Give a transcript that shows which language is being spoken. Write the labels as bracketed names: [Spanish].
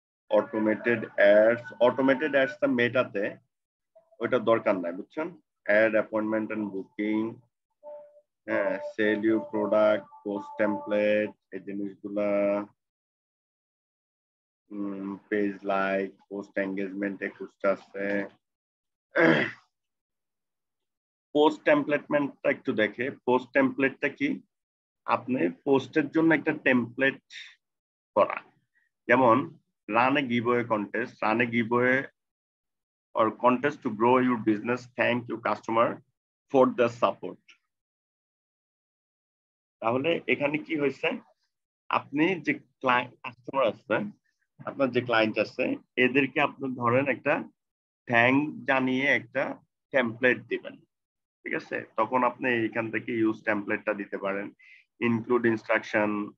[Bangla] Automated ads, automated অ্যাডসটা মেটাতে ওইটা দরকার নাই, বুঝছেন, অ্যাড, অ্যাপয়েন্টমেন্ট এন্ড বুকিং, হ্যাঁ, [English] sell you product, [Bangla] post template, এই জিনিসগুলা, পেজ লাইক, পোস্ট এঙ্গেজমেন্ট, একুশটা আছে। পোস্ট টেমপ্লেটটা একটু দেখে, পোস্ট টেমপ্লেটটা কি? আপনি পোস্টের জন্য একটা টেমপ্লেট করা, যেমন [English] run a giveaway contest, [Bangla] run A giveaway [English] or contest to grow your business, thank your customer for the support. [Bangla] তাহলে এখানে কি হয়েছে আপনি যে ক্লায়েন্ট কাস্টমার আছেন আপনার যে ক্লায়েন্ট আছে এদেরকে আপনি ধরেন একটা থ্যাঙ্ক জানিয়ে একটা টেমপ্লেট দিবেন ঠিক আছে তখন আপনি এখান থেকে ইউজ টেমপ্লেটটা দিতে পারেন [English] include instruction